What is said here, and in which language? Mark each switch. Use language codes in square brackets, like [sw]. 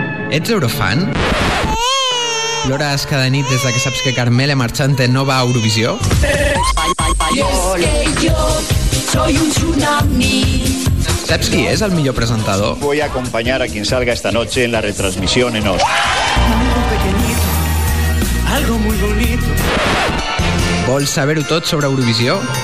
[ca] Ets Eurofan? Plores cada nit des que saps que Carmele Marchante no va a Eurovisió? Saps qui és el millor presentador? [es] Voy a acompañar a quien salga esta noche en la retransmisión en Os. Algo muy bonito. [ca] Vols saber-ho tot sobre Eurovisió?